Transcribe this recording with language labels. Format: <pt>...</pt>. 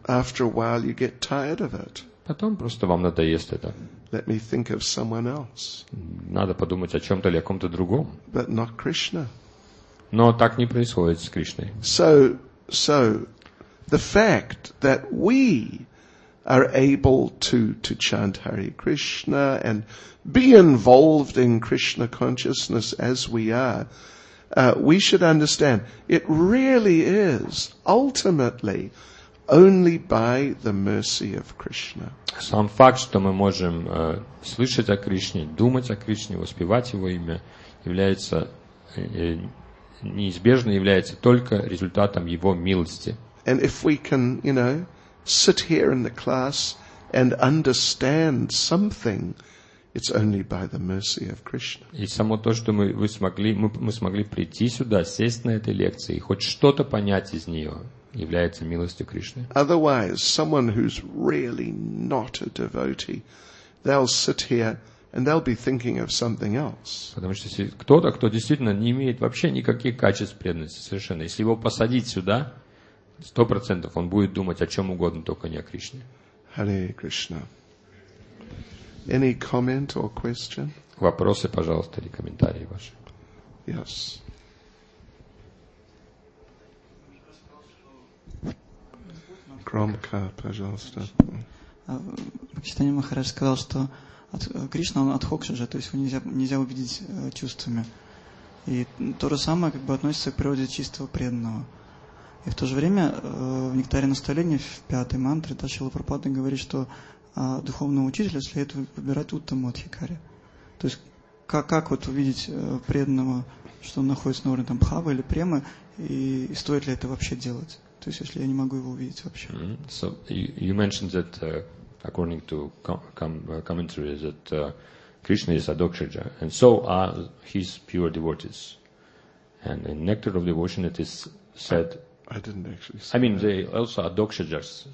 <en>After a while, you get tired of it.</en> <ru>Потом просто вам надоест это.</ru> <en>Let me think of someone else.</en> <ru>Надо подумать о чем-то или о ком-то другом.</ru> <en>But not Krishna.</en> <ru>Но так не происходит с Кришной.</ru> <en>So, the fact that we are able to chant Hare Krishna and be involved in Krishna consciousness as we are, we should understand it really is ultimately only by the mercy of Krishna.</en> <ru>Сам факт, что мы можем слышать о Кришне, думать о Кришне, воспевать его имя, является неизбежно является только результатом его милости.</ru> <en>And if we can, you know, sit here in the class and understand something, it's only by the mercy of Krishna.</en> <ru>И само то, что мы смогли прийти сюда, сесть на этой лекции, хоть что-то понять из нее, является милостью Кришны.</ru> <en>Otherwise, someone who's really not a devotee, they'll sit here and they'll be thinking of something else.</en> <ru>Потому что если кто-то, кто действительно не имеет вообще никаких качеств преданности совершенно, если его посадить сюда, 100% он будет думать о чем угодно, только не о Кришне.</ru> <en>Hare Krishna. Any comment or question?</en> <ru>Вопросы, пожалуйста, или комментарии ваши?</ru> <en>Yes.</en> <ru>Громко, пожалуйста. Читание Махарадж сказал, что Кришна, он адхокшиджа, то есть его нельзя увидеть чувствами. И то же самое как бы относится к природе чистого преданного. И в то же время в «Нектаре наставления», в пятой мантре, Шрила Прабхупада говорит, что духовного учителя следует выбирать уттама адхикари. То есть как вот увидеть преданного, что он находится на уровне там бхавы или премы, и стоит ли это вообще делать? То есть, если я не могу его увидеть вообще. Mm-hmm.</ru> <en>So you mentioned that according to commentary that Krishna is adokshaja, and so are his pure devotees. And in Nectar of Devotion it is said... I didn't actually say that. I mean, that. They also are adokshajas.</en>